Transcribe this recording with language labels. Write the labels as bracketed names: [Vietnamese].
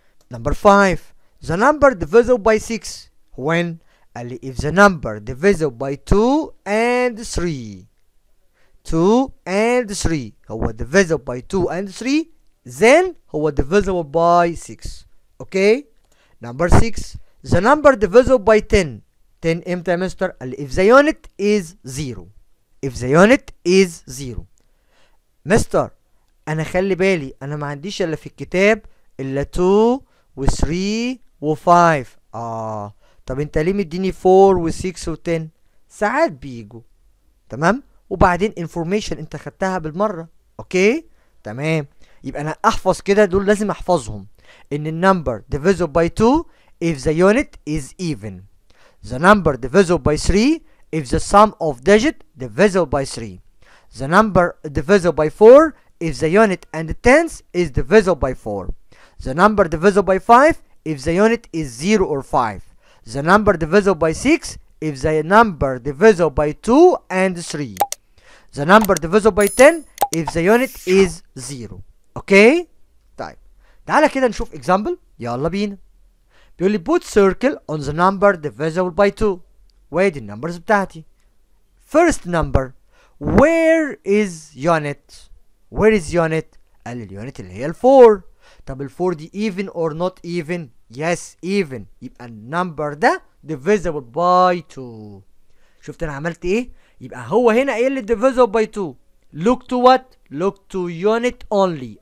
[English] Number 5. The number divisible by 6 when if the number divisible by 2 and 3. 2 and 3 هو divisible by 2 and 3 then هو divisible by 6. Okay. Number 6. The number divisible by 10. [Arabic] 10 امتى يا مستر؟ قال لي [English] if the unit is 0. If the unit is 0. [Arabic] مستر انا خلي بالي انا ما عنديش الا في الكتاب الا 2 و 3 و 5. طب انت ليه مديني 4 و 6 و 10؟ ساعات بيجوا. تمام؟ وبعدين انفورميشن انت خدتها بالمره. اوكي؟ تمام. يبقى انا احفظ كده، دول لازم احفظهم. ان النمبر [English] divisible by 2 if the unit is even. The number divisible by 3 if the sum of digit divisible by 3. The number divisible by 4 if the unit and the tens is divisible by 4. The number divisible by 5 if the unit is 0 or 5. The number divisible by 6 if the number divisible by 2 and 3. The number divisible by 10 if the unit is 0. Okay? [Arabic] طيب تعالى كده نشوف example. يلا بينا. بيقول لي [English] put circle on the number divisible by 2. [Arabic] وايه دي النمبرز بتاعتي؟ [English] first number where is unit؟ where is unit؟ [Arabic] قال لي [English] unit [Arabic] اللي هي ال 4. طب ال 4 دي [English] even or not even؟ yes even. [Arabic] يبقى النمبر ده [English] divisible by 2. [Arabic] شفت انا عملت ايه؟ يبقى هو هنا ايه اللي [English] divisible by 2؟ look to what؟ look to unit only.